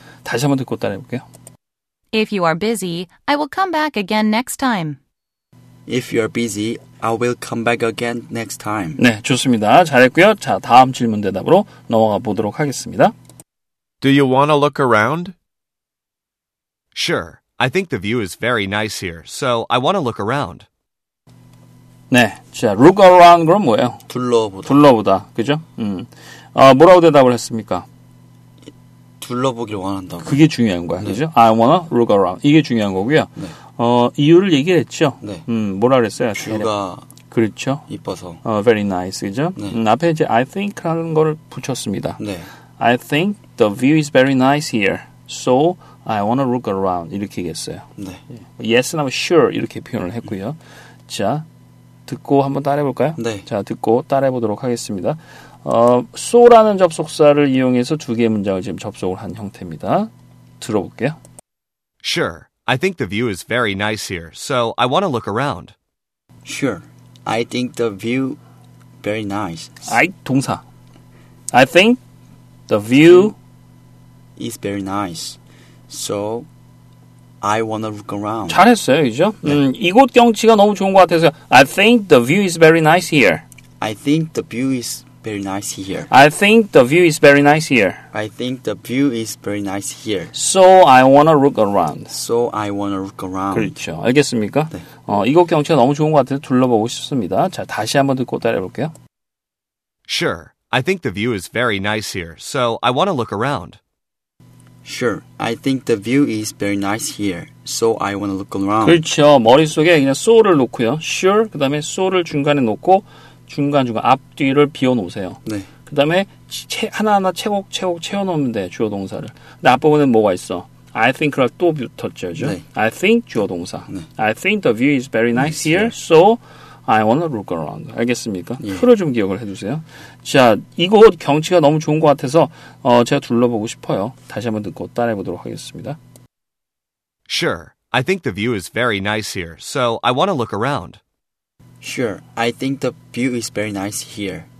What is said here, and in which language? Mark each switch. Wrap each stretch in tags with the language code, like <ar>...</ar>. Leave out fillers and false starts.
<ko>다시 한번 듣고 따라해볼게요.</ko> <en>If you are busy, I will come back again next time. If you are busy, I will come back again next time.</en> <ko>네, 좋습니다. 잘했고요. 자, 다음 질문 대답으로 넘어가 보도록 하겠습니다.</ko> <en>Do you want to look around? Sure. I think the view is very nice here, so I want to look around.</en> <ko>네, 자,</ko> <en>look around</en> <ko>그럼 뭐예요? 둘러보다. 둘러보다, 그죠? 뭐라고 대답을 했습니까? 둘러보길 원한다고. 그게 중요한 거야. 네. 그죠?</ko> <en>I wanna look around.</en> <ko>이게 중요한 거고요. 네. 이유를 얘기했죠. 네. 뭐라 그랬어요? 뷰가 그렇죠. 이뻐서.</ko> <en>Very nice.</en> <ko>그죠? 네. 앞에 이제 I think 라는 걸 붙였습니다. 네.</ko> <en>I think the view is very nice here. So I wanna look around.</en> <ko>이렇게 얘기했어요. 네.</ko> <en>Yes, I'm sure.</en> <ko>이렇게 표현을 했고요. 자, 듣고 한번 따라해볼까요? 네. 자, 듣고 따라해보도록 하겠습니다. So라는 접속사를 이용해서 두 개의 문장을 지금 접속을 한 형태입니다. 들어볼게요.</ko> <en>Sure. I think the view is very nice here, so I want to look around. Sure. I think the view very nice. I 동사. I think the view is very nice, so I want to look around.</en> <ko>잘했어요, 그죠? 네. 이곳 경치가 너무 좋은 것 같아서</ko> <en>I think the view is very nice here. I think the view is very nice here. I think the view is very nice here. I think the view is very nice here. So I wanna look around. So I wanna look around.</en> <ko>그렇죠. 알겠습니까? 네. 이곳 경치가 너무 좋은 것 같아서 둘러보고 싶습니다. 자, 다시 한번 듣고 따라해볼게요.</ko> <en>Sure. I think the view is very nice here. So I wanna look around. Sure. I think the view is very nice here. So I wanna look around.</en> <ko>그렇죠. 머릿속에 그냥 so를 놓고요.</ko> <en>Sure.</en> <ko>그 다음에 so를 중간에 놓고 중간중간 앞뒤를 비워놓으세요. 네. 그 다음에 하나하나 채곡채곡 채워놓으면 돼. 주어동사를. 근데 앞부분에 뭐가 있어? I think랑 또 붙었죠. 네.</ko> <en>I think 주어동사.</en> <ko>네.</ko> <en>I think the view is very nice, nice here. So I wanna look around.</en> <ko>알겠습니까? 예. 풀을 좀 기억을 해주세요. 자, 이곳 경치가 너무 좋은 것 같아서 제가 둘러보고 싶어요. 다시 한번 듣고 따라해보도록 하겠습니다.</ko> <en>Sure. I think the view is very nice here. So I wanna look around. Sure. I think the view is very nice here.</en>